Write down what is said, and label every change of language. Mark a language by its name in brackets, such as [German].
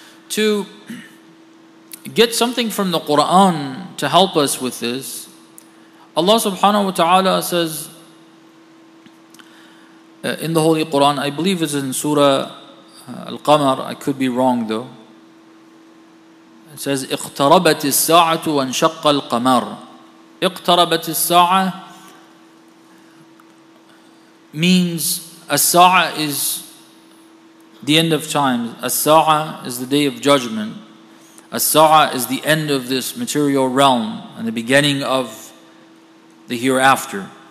[English] To get something from the Quran to help us with this, Allah subhanahu wa ta'ala says in the Holy Quran, I believe it's in Surah Al-Qamar, I could be wrong though. It says, [Arabic] اِقْتَرَبَتِ السَّاعَةُ وَانْشَقَّ الْقَمَرِ. اِقْتَرَبَتِ السَّاعَةُ [English] means, as-sa'ah is the end of times. As-sa'a is the day of judgment. As-sa'a is the end of this material realm and the beginning of the hereafter.